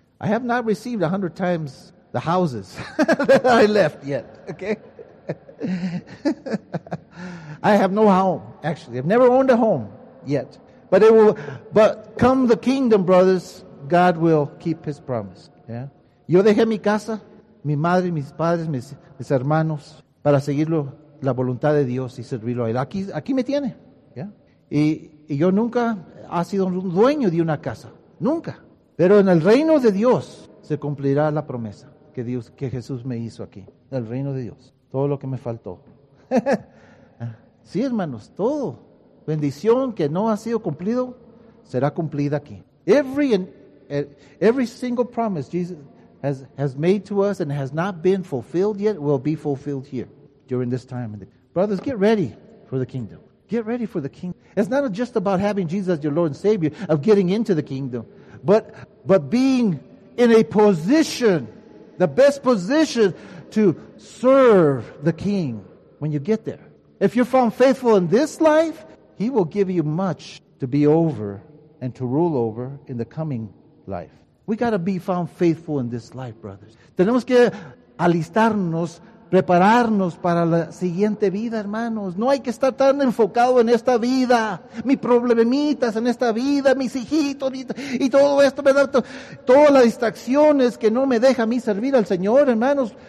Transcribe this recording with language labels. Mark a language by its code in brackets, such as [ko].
[en] I have not received 100 times the houses that I left yet, okay? I have no home, actually. I've never owned a home yet. But come the kingdom, brothers, God will keep his promise. Yeah. [es] Yo dejé mi casa, mi madre, mis padres, mis hermanos, para seguir la voluntad de Dios y servirlo a él. Aquí me tiene, yeah? Y yo nunca ha sido un dueño de una casa, nunca. Pero en el reino de Dios se cumplirá la promesa que Jesús me hizo aquí, en el reino de Dios, todo lo que me faltó. Sí, hermanos, todo. Bendición que no ha sido cumplido será cumplida aquí. [en] Every single promise Jesus has made to us and has not been fulfilled yet will be fulfilled here during this time. Brothers, get ready for the kingdom. Get ready for the kingdom. It's not just about having Jesus as your Lord and Savior, of getting into the kingdom, but being in a position, the best position to serve the King when you get there. If you're found faithful in this life, he will give you much to be over and to rule over in the coming life. We got to be found faithful in this life, brothers. [es] Tenemos que alistarnos, prepararnos para la siguiente vida, hermanos. No hay que estar tan enfocado en esta vida. Mis problemitas en esta vida, mis hijitos y todo esto. Me da todas las distracciones que no me deja a mí servir al Señor, hermanos.